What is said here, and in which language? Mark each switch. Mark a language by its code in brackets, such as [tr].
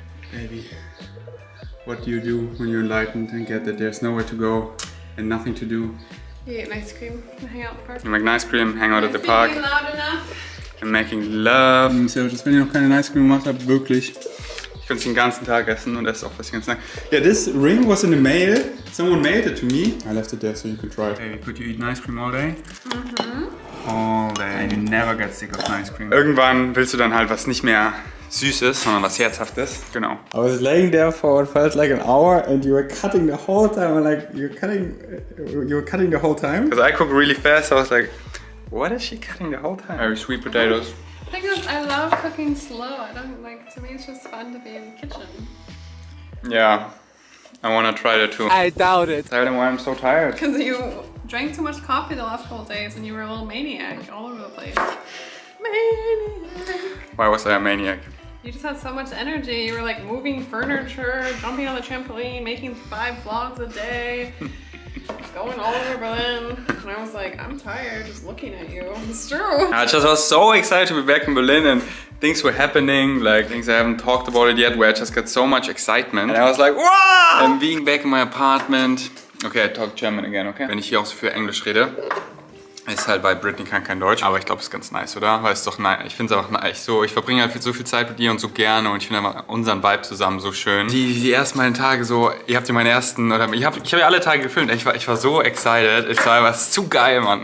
[en] Baby, what do you do when you're enlightened and get that there's nowhere to go and nothing to do? You make ice cream, hang out at the park. You make ice cream, hang out at the park. I'm making love. [de] So, just wenn ihr noch keine Ice Cream gemacht habt, wirklich. Ich könnte es den ganzen Tag essen und esse auch was den ganzen Tag. [en] Yeah, this ring was in the mail. Someone mailed it to me. I left it there so you could try it. Hey, could you eat Ice Cream all day? Mhm. All day. And you never get sick of Ice Cream. [de] Irgendwann willst du dann halt was nicht mehr Süßes, sondern was Herzhaftes. Genau. [en] I was laying there for what felt like an hour and you were cutting the whole time. Like, you were cutting the whole time. Because I cook really fast, I was like, what is she cutting the whole time? Very sweet potatoes. Because I love cooking slow. I don't like, to me it's just fun to be in the kitchen. Yeah. I wanna try that too. I doubt it. I don't know why I'm so tired. Because you drank too much coffee the last couple days and you were a little maniac all over the place. Maniac. Why was I a maniac? You just had so much energy. You were like moving furniture, jumping on the trampoline, making 5 vlogs a day. Going all over Berlin, and I was like, I'm tired just looking at you. It's true. I just was so excited to be back in Berlin, and things were happening, like things I haven't talked about it yet, where I just got so much excitement. And I was like, wow! And being back in my apartment. Okay, I talk German again, okay? [de] Wenn ich hier auch so viel Englisch rede, ist halt, weil Britney kann kein Deutsch, aber ich glaube, es ist ganz nice, oder? Weil es doch nice, ich finde es einfach nice. So, ich verbringe halt so viel Zeit mit ihr und so gerne und ich finde einfach unseren Vibe zusammen so schön. Die ersten meinen Tage so, ihr habt ja meine ersten, oder ich hab ja alle Tage gefilmt, ich war so excited, es war einfach zu geil, Mann.